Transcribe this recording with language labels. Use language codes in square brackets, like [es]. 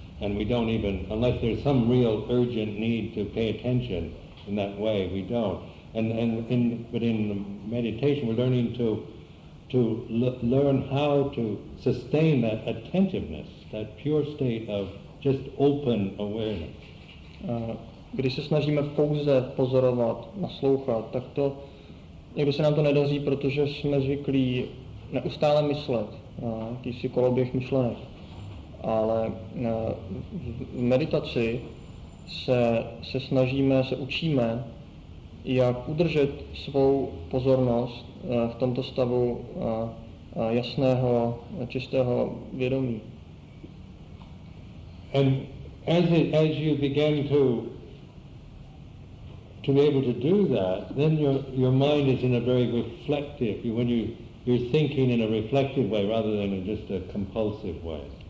[en] And we don't even, unless there's some real urgent need to pay attention in that way, we don't. But in meditation, we're learning to learn how to sustain that attentiveness, that pure state of just open awareness. [cs] Když se snažíme pouze pozorovat, naslouchat, tak to, někdy se nám to nedaří, protože jsme zvyklí neustále myslet, jakýsi koloběh myšlenek. Ale v meditaci se učíme, jak udržet svou pozornost v tomto stavu jasného, čistého vědomí. [en] And as you begin to be able to do that, then your mind is in a very reflective, when you're thinking in a reflective way rather than in just a compulsive way.